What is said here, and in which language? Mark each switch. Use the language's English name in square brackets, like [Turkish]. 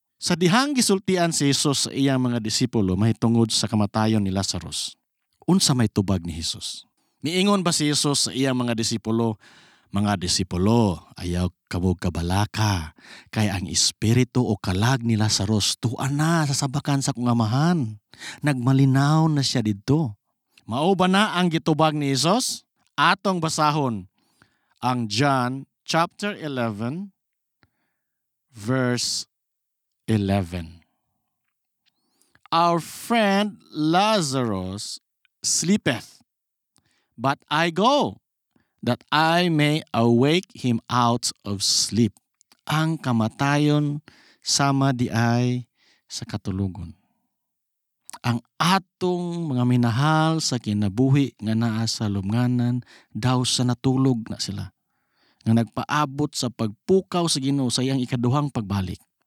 [Cebuano] Sa dihang gisultian si Jesus sa iyang mga disipulo mahitungod sa kamatayon ni Lazarus, unsa may tubag ni Jesus? Miingon ba si Jesus sa iyang mga disipulo, ayaw kabog kabalaka, kay ang espiritu o kalag ni Lazarus tuan na sa sabakan sa kong amahan. Nagmalinaw na siya dito. Mao ba na ang gitubag ni Jesus? Atong basahon ang John chapter 11 verse 11. [English] Our friend Lazarus sleepeth, but I go that I may awake him out of sleep. [Cebuano] Ang kamatayon sama di ay sa katulugon. ang atong mga minahal sa kinabuhi nga naa sa lumnganan daw sa natulog na sila nga nagpaabot sa pagpukaw sa Ginoo sa iyang ikaduhang pagbalik.